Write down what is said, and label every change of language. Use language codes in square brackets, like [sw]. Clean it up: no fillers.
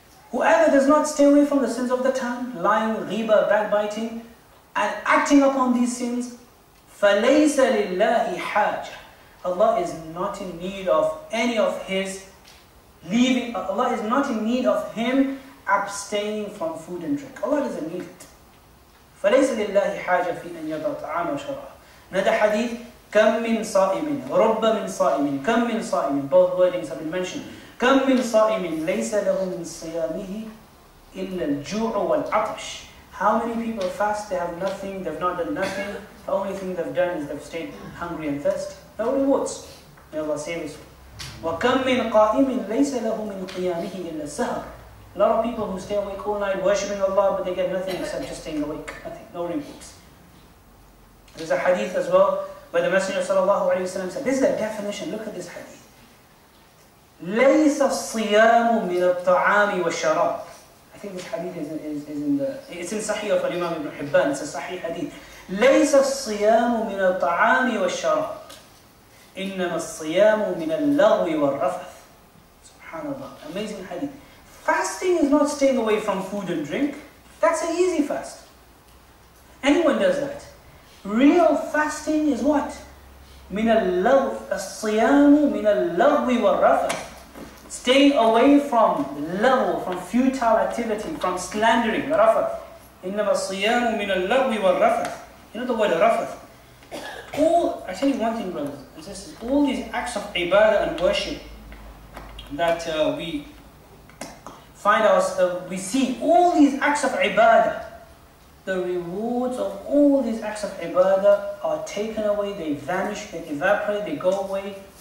[en] Whoever does not stay away from the sins of the tongue, lying, riba, backbiting, and acting upon these sins, [ar] فَلَيْسَ لِلَّهِ حَاجَةٌ. [en] Allah is not in need of any of his leaving, Allah is not in need of him abstaining from food and drink. Allah doesn't need it. [ar] فليس لله حاجة في أن يضع طعام وشراب. ندى حديث كم من صائم رب من صائم كم من صائم. [en] Both wordings have been mentioned. [ar] كم من صائم ليس له من صيامه إلا الجوع والعطش. [en] How many people fast? They have nothing. They've not done nothing. The only thing they've done is they've stayed hungry and thirsty. No rewards. May Allah save us. [ar] وكم من قائم ليس له من قيامه إلا السهر. [en] A lot of people who stay awake all night worshipping Allah, but they get nothing except just staying awake. Nothing. No rewards. There's a hadith as well where the Messenger sallallahu alayhi wa sallam said, this is the definition. Look at this hadith. [ar] لَيْسَ الصِّيَامُ مِنَ الطَّعَامِ وَالشَّرَابِ. [en] I think this hadith is in Sahih of Imam Ibn Hibban. It's a Sahih hadith. [ar] لَيْسَ الصِّيَامُ مِنَ الطَّعَامِ وَالشَّرَابِ. إِنَّمَا الصِّيَامُ مِنَ اللَّغْوِ وَالرَّفَثِ. SubhanAllah. [en] Amazing hadith. Fasting is not staying away from food and drink. That's an easy fast. Anyone does that. Real fasting is what? [ar] من اللغو الصيام من اللغو والرفث. [en] Stay away from lagu, from futile activity, from slandering, rafath. [ar] إنما الصيام من اللغو والرفث. [en] You know the word rafath. All, I tell you one thing, brothers and sisters. All these acts of ibadah and worship that we find us, we see all these acts of ibadah. The rewards of all these acts of ibadah are taken away. They vanish. They evaporate. They go away.